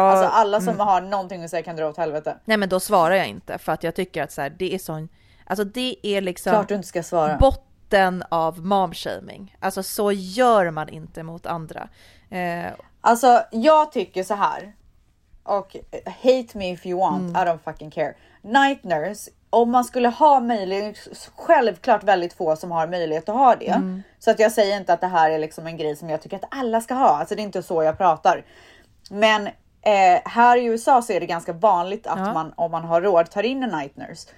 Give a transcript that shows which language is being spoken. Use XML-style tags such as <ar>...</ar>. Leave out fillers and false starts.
<sv>Alltså alla som har någonting att säga kan dra åt helvete. Nej men då svarar jag inte för att jag tycker att så här, det är sån, alltså det är liksom. Klart du inte ska svara. Botten av momshaming. Alltså så gör man inte mot andra. Alltså jag tycker så här.</sv> <en>Och hate me if you want, I don't fucking care. Night nurse.</en> <sv>Om man skulle ha möjlighet, självklart väldigt få som har möjlighet att ha det. Mm. Så att jag säger inte att det här är liksom en grej som jag tycker att alla ska ha. Alltså det är inte så jag pratar. Men här i USA så är det ganska vanligt att man, om man har råd, tar in en night nurse.</sv>